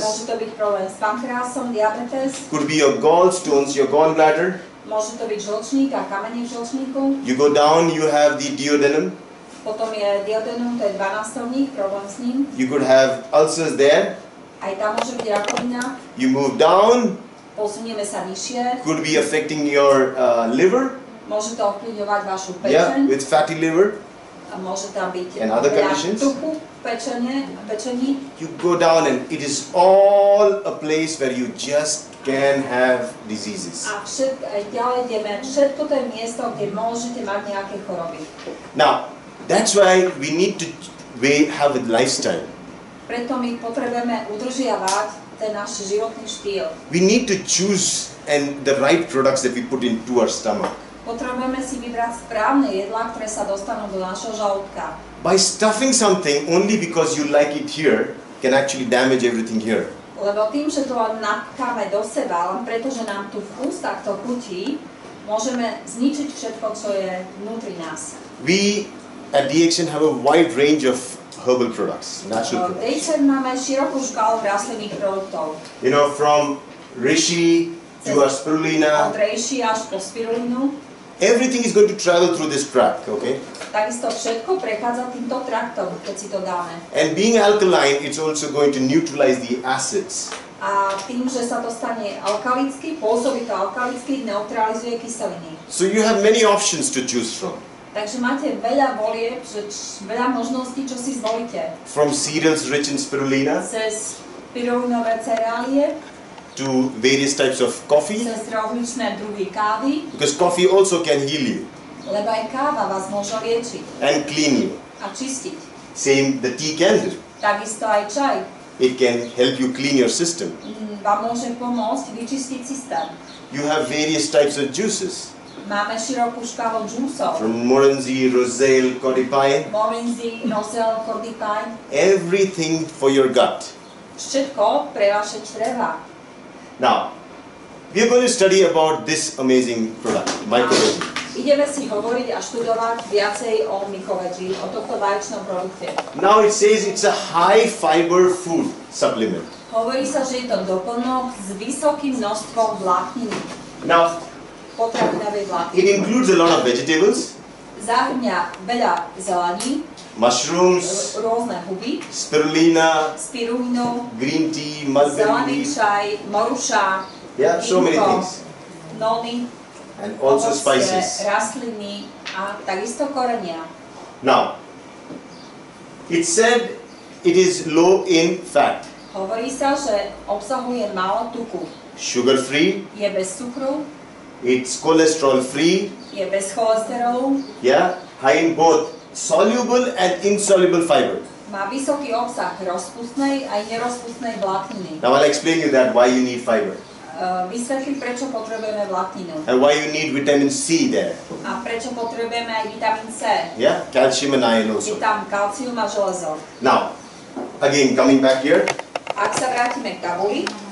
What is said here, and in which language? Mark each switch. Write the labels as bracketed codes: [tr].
[sk] Môže to byť problém s pankreasom, diabetes. [en] Could be your gallstones, your gallbladder. [sk] Môže to byť žlčník a kamene v žlčníku. [en] You go down, you have the duodenum. [sk] Potom je duodenum, to je dvanásobník, problém s ním. [en] You could have ulcers there. [sk] Aj tam môže byť rakovina. [en] You move down. [sk] Posunieme sa nižšie. [en] Could be affecting your liver. [sk] Môže to ovplyvňovať vašu pečeň. [en] Yeah, with fatty liver. [sk] A môže tam byť [en] and other conditions. [sk] Tuku, pečení. [en] You go down and it is all a place where you just can have diseases. [sk] A ďalej ideme, všetko to je miesto, kde môžete mať nejaké choroby. [en] Now, that's why we need to have a lifestyle. [sk] Preto my potrebujeme udržiavať ten náš životný štýl. [en] We need to choose and the right products that we put into our stomach. [sk] Potrebujeme si vybrať správne jedlá, ktoré sa dostanú do nášho žalúdka. [en] By stuffing something only because you like it here can actually damage everything here. [sk] Lebo tým, že to napkáme do seba, len pretože nám tu v ústach to chutí, môžeme zničiť všetko, čo je vnútri nás. [en] We at DXN have a wide range of herbal products, natural products. [sk] DXN máme širokú škálu rastlinných produktov. [en] You know, from reishi to our spirulina. [sk] Od reishi až po spirulinu. [en] Everything is going to travel through this tract, okay? [sk] Takisto všetko prechádza týmto traktom, keď si to dáme. [en] And being alkaline, it's also going to neutralize the acids. [sk] A tým, že sa to stane alkalický, pôsobí to alkalický, neutralizuje kyseliny. [en] So you have many options to choose from. [sk] Takže máte veľa volieb, veľa možností, čo si zvolíte. [en] From cereals rich in spirulina. [sk] Cez spirulinové cereálie. [en] To various types of coffee. [sk] Cez rôzne druhy kávy. [en] Because coffee also can heal you. [sk] Lebo aj káva vás môže liečiť. [en] And clean you. [sk] A čistiť. [en] Same the tea can. [sk] Takisto aj čaj. [en] It can help you clean your system. [sk] Vám môže pomôcť vyčistiť systém. [en] You have various types of juices. [sk] Máme širokú škálu džúsov. [en] From morenzi, roselle, cordypine. [sk] Morenzi, roselle, cordypine. [en] Everything for your gut. [sk] Všetko pre vaše čreva. [en] Now, we are going to study about this amazing product, MycoVeggie. [sk] Ideme si hovoriť a študovať viacej o MycoVeggie, o tohto vaječnom produkte. [en] Now it says it's a high fiber food supplement. [sk] Hovorí sa, že je to doplnok s vysokým množstvom vlákniny. [en] Now, [sk] potravinové [en] vlákniny. It includes a lot of vegetables. [sk] Zahrňa veľa zelení. [en] Mushrooms. [sk] Rôzne huby. [en] Spirulina. [sk] Spirulino. [en] Green tea, mulberry. [sk] Zelený čaj, maruša. [en] Yeah, so many things. Noni. And also spices. [sk] Rastliny a takisto korenia. [en] Now, it said it is low in fat. [sk] Hovorí sa, že obsahuje málo tuku. [en] Sugar free. [sk] Je bez cukru. [en] It's cholesterol free. [sk] Je bez cholesterolu. [en] Yeah, high in both soluble and insoluble fiber. [sk] Má vysoký obsah rozpustnej aj nerozpustnej vlákniny. [en] Now I'll explain you that why you need fiber. [sk] Vysvetlím, prečo potrebujeme vlákninu. [en] And why you need vitamin C there. [sk] A prečo potrebujeme aj vitamin C. [en] Yeah, calcium and iron also. [sk] Je tam kalcium a železo. [en] Now, again, coming back here. [sk] Ak sa vrátime k tabuli.